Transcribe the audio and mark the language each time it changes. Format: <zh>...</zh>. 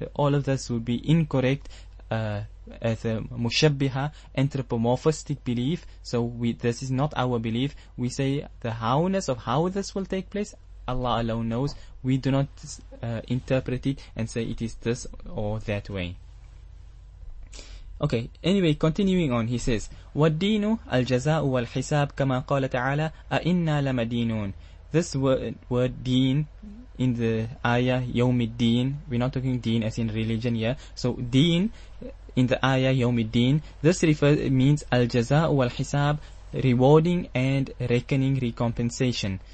<en>All of this would be incorrect as a mushabbiha, anthropomorphistic belief. So this is not our belief. We say the howness of how this will take place, Allah alone knows. We do not interpret it and say it is this or that way. Okay, anyway, continuing on, he says,</en> <ar>وَالدِّينُ الْجَزَاءُ وَالْحِسَابُ كَمَا قَالَ تَعَالَى أَإِنَّا لَمَدِينُونَ.</ar> <en>This word deen in the ayah, يَوْمِ الدِّينِ, we're not talking deen as in religion, yeah? So, deen in the ayah, يَوْمِ الدِّينِ, this means</en> <ar>الْجَزَاءُ وَالْحِسَابُ,</ar> <en>rewarding and reckoning, recompensation.</en>